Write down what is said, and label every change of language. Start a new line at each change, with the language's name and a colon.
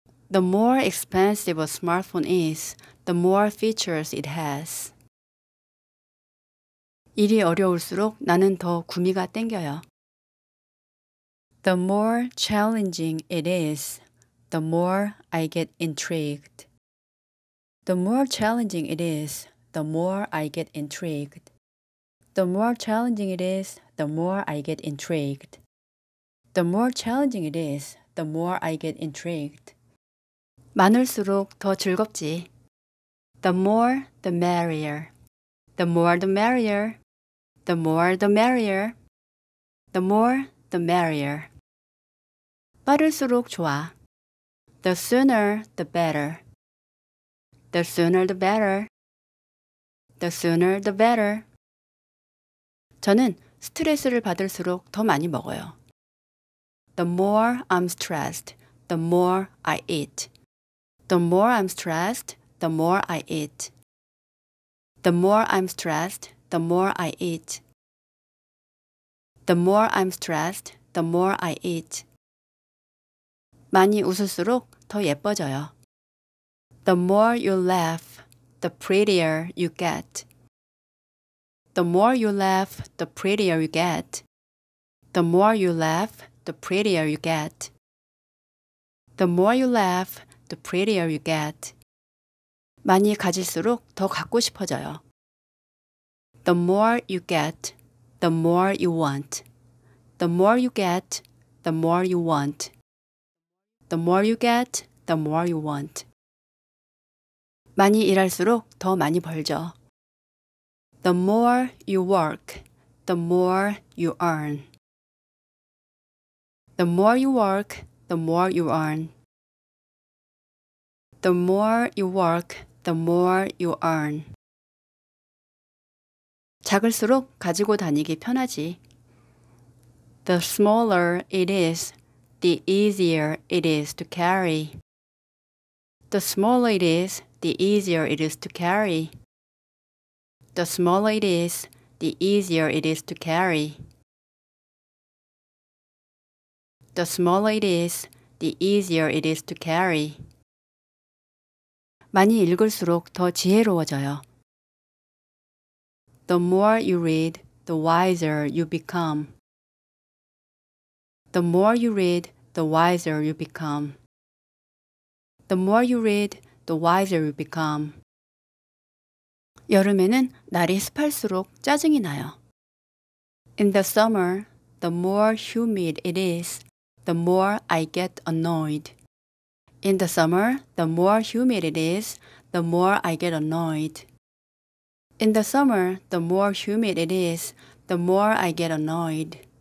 English: The more expensive a smartphone is, the more features it has.
Korean: 일이 어려울수록 나는 더 구미가 땡겨요.
English: The more challenging it is, the more I get intrigued. The more challenging it is, the more I get intrigued. The more challenging it is, the more I get intrigued. The more challenging it is, the more I get intrigued.
Korean: 많을수록 더 즐겁지.
English: The more, the merrier. The more, the merrier. The more, the merrier. The more, the merrier.
Korean: 빠를수록 좋아.
English: The sooner, the better. The sooner, the better. The sooner, the better.
Korean: 저는 스트레스를 받을수록 더 많이 먹어요.
English: The more I'm stressed, the more I eat. The more I'm stressed, the more I eat. The more I'm stressed, the more I eat. The more I'm stressed, the more I eat.
Korean: 많이 웃을수록 더 예뻐져요.
English: The more you laugh, the prettier you get. The more you laugh, the prettier you get. The more you laugh, the prettier you get. The more you laugh, the prettier you get.
Korean: 많이 가질수록 더 갖고 싶어져요.
English: The more you get, the more you want. The more you get, the more you want. The more you get, the more you want.
Korean: 많이 일할수록 더 많이 벌죠.
English: The more you work, the more you earn. The more you work, the more you earn. The more you work, the more you earn.
Korean: 작을수록 가지고 다니기 편하지.
English: The smaller it is, the easier it is to carry. The smaller it is, the easier it is to carry. The smaller it is, the easier it is to carry. The smaller it is, the easier it is to carry.
Korean: 많이 읽을수록 더 지혜로워져요.
English: The more you read, the wiser you become. The more you read, the wiser you become. The more you read, the wiser you become.
Korean: 여름에는 날이 습할수록 짜증이 나요.
English: In the summer, the more humid it is, the more I get annoyed. In the summer, the more humid it is, the more I get annoyed. In the summer, the more humid it is, the more I get annoyed.